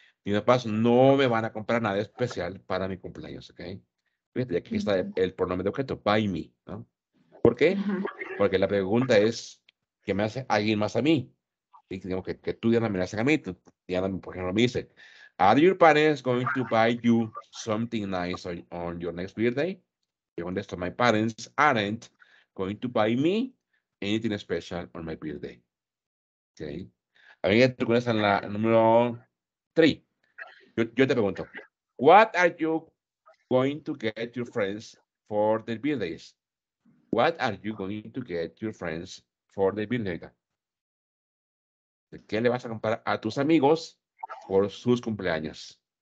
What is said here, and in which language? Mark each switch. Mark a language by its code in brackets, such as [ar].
[es] Mi papá no me van a comprar nada especial para mi cumpleaños, okay? Fíjate, aquí está el pronombre de objeto, [en] buy me, [es] ¿no? ¿Por qué? Porque la pregunta es, ¿qué me hace alguien más a mí? Y digamos que tú, Diana, me haces a mí. Diana, por ejemplo, me dice, [en] are your parents going to buy you something nice on your next birthday? [es] Yo contesto, [en] my parents aren't going to buy me anything special on my birthday. Okay. [es] A mí, tú conoces la número 3. Yo te pregunto, [en] what are you going to get your friends for their birthdays? What are you going to get your friends for their birthday? [es] ¿Qué le vas a comprar a tus amigos por sus cumpleaños?